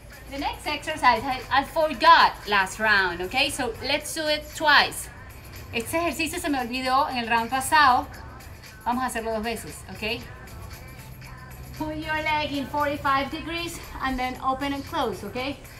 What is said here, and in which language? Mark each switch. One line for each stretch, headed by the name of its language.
English: The next exercise, I forgot last round, okay? So let's do it twice.
Spanish: Este ejercicio se me olvidó en el round pasado. Vamos a hacerlo dos veces, okay?
English: Put your leg in 45 degrees and then open and close, okay?